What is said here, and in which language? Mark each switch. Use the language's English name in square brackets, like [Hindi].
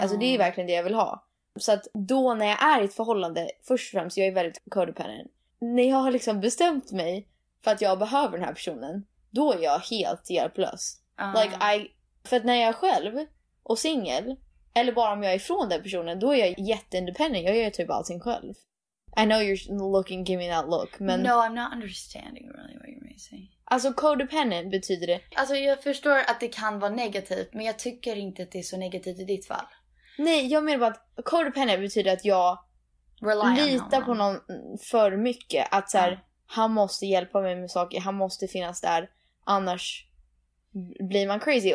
[Swedish] Alltså det är verkligen det jag vill ha. Så att då när jag är i ett förhållande, först och främst, jag är väldigt codependent. När jag har liksom bestämt mig för att jag behöver den här personen, då är jag helt hjälplös. För att när jag är själv och singel, eller bara om jag är ifrån den personen, då är jag jätteindependent. Jag gör typ allting själv. [English] I know you're looking, give me that look. [Swedish] Men... [English] No, I'm not understanding really what you're saying. [Swedish] Alltså codependent betyder det. Alltså jag förstår att det kan vara negativt, men jag tycker inte att det är så negativt i ditt fall. Nej, jag menar bara att codependent betyder att jag litar på någon för mycket. Att så här, han måste hjälpa mig med saker, han måste finnas där, annars blir man crazy.